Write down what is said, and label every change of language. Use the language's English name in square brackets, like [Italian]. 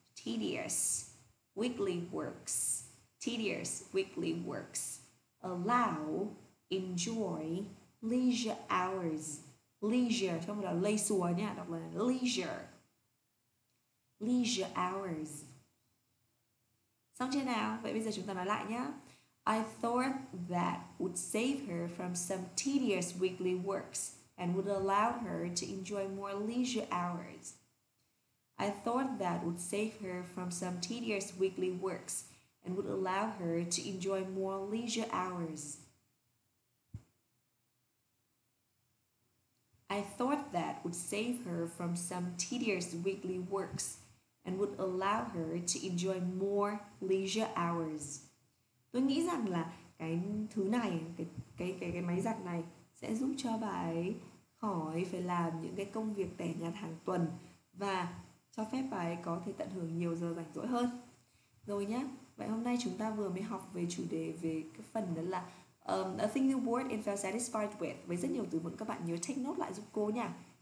[English] Tedious, weekly works. Allow, enjoy, leisure hours. [Vietnamese] Leisure, trong đó lấy sùa nhé, đọc là leisure. [English] Leisure hours. [Vietnamese] Xong chưa nào? Vậy bây giờ chúng ta nói lại nhé. [English] I thought that would save her from some tedious weekly works and would allow her to enjoy more leisure hours. I thought that would save her from some tedious weekly works and would allow her to enjoy more leisure hours. I thought that would save her from some tedious weekly works and would allow her to enjoy more leisure hours. [Vietnamese] Tôi nghĩ rằng là cái thứ này, cái máy giặt này sẽ giúp cho bà ấy khỏi phải làm những cái công việc tẻ nhạt hàng tuần và cho phép bà ấy có thể tận hưởng nhiều giờ rảnh rỗi hơn. Rồi nhé, vậy hôm nay chúng ta vừa mới học về chủ đề về cái phần đó là [English] a thing you bored and felt satisfied with, [Vietnamese] với rất nhiều từ vựng các bạn nhớ [English] take note [Vietnamese] lại giúp cô nha.